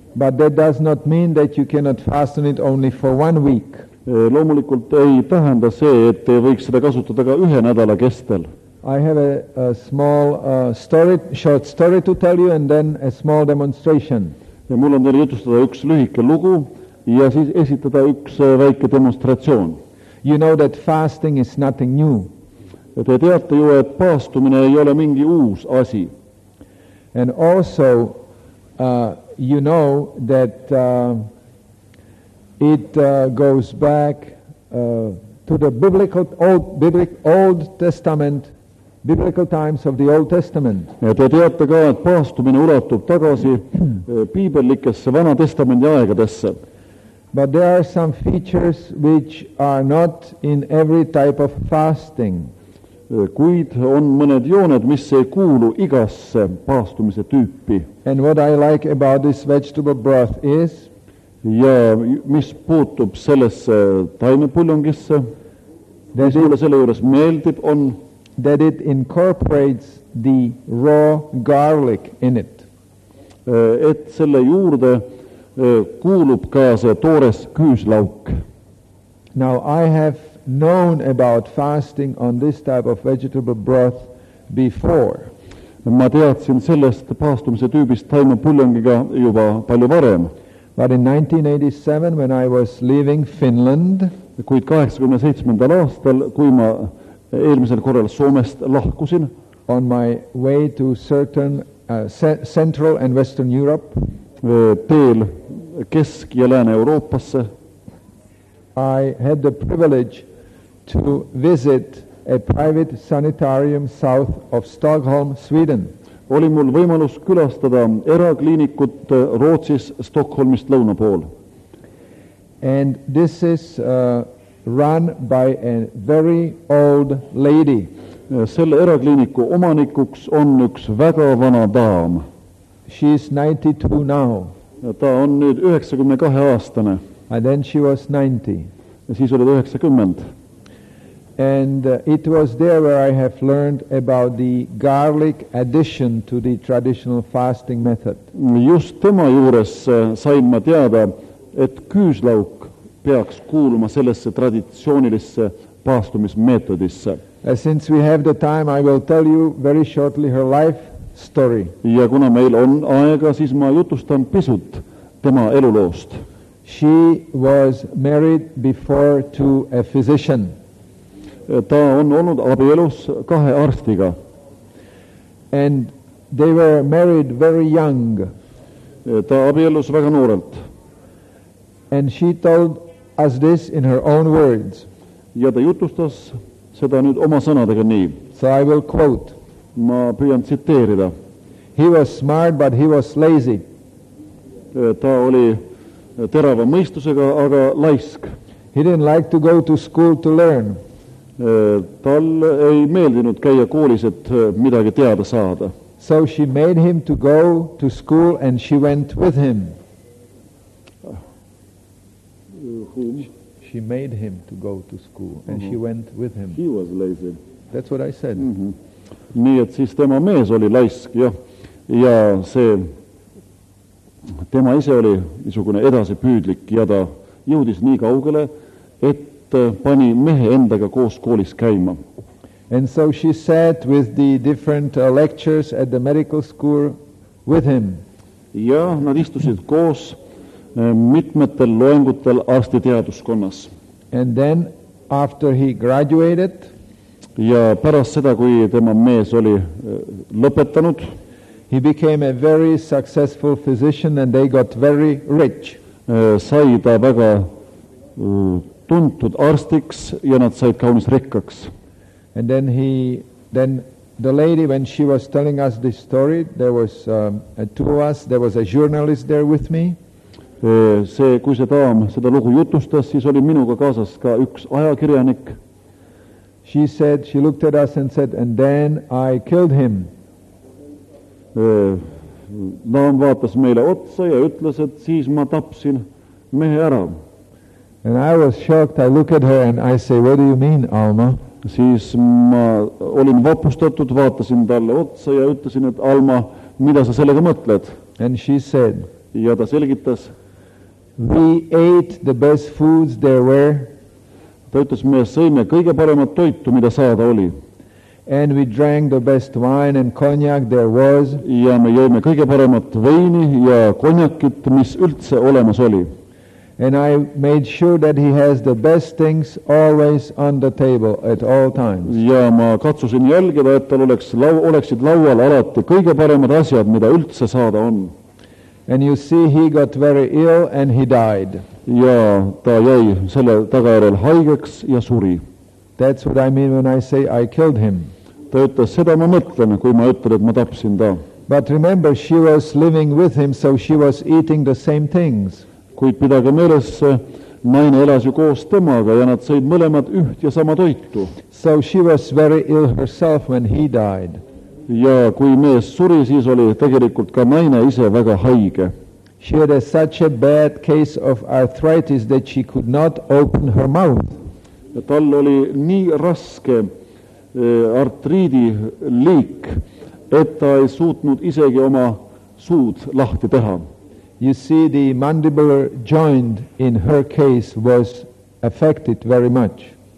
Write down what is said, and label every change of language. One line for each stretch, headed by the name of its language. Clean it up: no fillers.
English: But that does not mean that you cannot fasten it only for 1 week.
Estonian: Loomulikult ei tähenda see, et võiks seda kasutada ka ühe nädala kestel.
English: I have a small story, short story to tell you, and then a small demonstration.
Estonian: Ja mul on tarvis jutustada üks lühike lugu ja siis esitada üks väike demonstratsioon.
English: You know that fasting is nothing new.
Estonian: Ja te teate ju, et paastumine ei ole mingi uus asi.
English: And also, you know that it goes back to the biblical old Testament, biblical times of the Old Testament.
Estonian: Ja te teate ka, et paastumine ulatub tagasi piibellikesse Vana Testamendi aegadesse.
English: But there are some features which are not in every type of fasting.
Estonian: Kuid on mõned jooned, mis ei kuulu igasse paastumise tüüpi.
English: And what I like about this vegetable broth is,
Estonian: ja mis puutub sellesse taimepuljongisse, mis mulle selle juures meeldib, on
English: that it incorporates the raw garlic in it.
Estonian: Et selle juurde kuulub ka see toores küüslauk.
English: Now I have known about fasting on this type of vegetable broth before.
Estonian: Ma teadsin sellest paastumise tüübist taimepuljongiga juba palju varem.
English: But in 1987, when I was leaving Finland,
Estonian: kuid 87. aastal, kui ma eelmisel korral Soomest lahkusin,
English: on my way to certain Central and Western Europe,
Estonian: teel Kesk- ja Lääne-Euroopasse,
English: I had the privilege to visit a private sanitarium south of Stockholm, Sweden.
Estonian: Oli mul võimalus külastada erakliinikut Rootsis Stockholmist lõunapool.
English: And this is run by a very old lady.
Estonian: Selle erakliiniku omanikuks on üks väga vana daam.
English: She is 92 now.
Estonian: Ta on nüüd 92 aastane.
English: And then she was 90.
Estonian: Ja siis oled 90.
English: And it was there where I have learned about the garlic addition to the traditional fasting method.
Estonian: Just tema juures sain ma teada, et küüslauk peaks kuuluma sellesse traditsioonilisse paastumismeetodisse.
English: Since we have the time, I will tell you very shortly her life story.
Estonian: Ja kuna meil on aega, siis ma jutustan pisut tema eluloost.
English: She was married before to a physician.
Estonian: Ta on olnud abielus kahe arstiga.
English: And they were married very young.
Estonian: Ta abielus väga noorelt.
English: And she told us this in her own words.
Estonian: Ja ta jutustas seda nüüd oma sõnadega nii.
English: So I will quote.
Estonian: Ma püüan tsiteerida.
English: He was smart, but he was lazy.
Estonian: Ta oli terava mõistusega, aga laisk.
English: He didn't like to go to school to learn.
Estonian: Tal ei meeldinud käia koolis, et midagi teada saada.
English: So she made him to go to school and she went with him. Whom? She made him to go to school and she went with him. He was lazy. That's what I said. Mm-hmm.
Estonian: Nii, et siis tema mees oli laisk, jah. Ja see, tema ise oli isugune edasi püüdlik ja ta jõudis nii kaugele, et pani mehe endaga koos koolis käima.
English: And so she sat with the different lectures at the medical school with him.
Estonian: Ja nad istusid koos mitmetel loengutel arsti teaduskonnas.
English: And then after he graduated,
Estonian: ja pärast seda, kui tema mees oli lõpetanud,
English: he became a very successful physician and they got very rich.
Estonian: Sai ta väga tuntud arstiks ja nad said kaunis rikkaks.
English: And then the lady, when she was telling us this story, there was two of us, there was a journalist there with me.
Estonian: See, kui see taam seda lugu jutustas, siis oli minuga kaasas ka üks ajakirjanik.
English: She said, she looked at us and said, and then I killed him.
Estonian: Naam vaatas meile otsa ja ütles, et siis ma tapsin mehe ära.
English: And I was shocked, I look at her and I say, what do you mean, Alma?
Estonian: Siis ma olin vapustatud, vaatasin talle otsa ja ütlesin, et Alma, mida sa sellega mõtled?
English: And she said,
Estonian: ja ta selgitas,
English: we ate the best foods there were.
Estonian: Ta ütles, me sõime kõige paremat toitu, mida saada oli.
English: And we drank the best wine and cognac there was.
Estonian: Ja me joime kõige paremat veini ja konjakit, mis üldse olemas oli.
English: And I made sure that he has the best things always on the table at all times.
Estonian: Ja ma katsusin jälgida, et tal oleksid laual alati kõige paremad asjad, mida üldse saada on.
English: And you see, he got very ill and he died.
Estonian: Ja ta jäi selle tagajärjel haigeks ja suri.
English: That's what I mean when I say I killed him.
Estonian: Ta ütles, seda ma mõtlen, kui ma ütlen, et ma tapsin ta.
English: But remember, she was living with him, so she was eating the same things.
Estonian: Kuid pidage meeles, naine elas ju koos temaga ja nad sõid mõlemad üht ja sama toitu.
English: So she was very ill herself when he died.
Estonian: Ja kui mees suri, siis oli tegelikult ka naine ise väga haige.
English: She had such a bad case of arthritis that she could not open her mouth.
Estonian: Ja tal oli nii raske artriidi liik, et ta ei suutnud isegi oma suud lahti teha.
English: You see, the mandibular joint in her case was affected very much.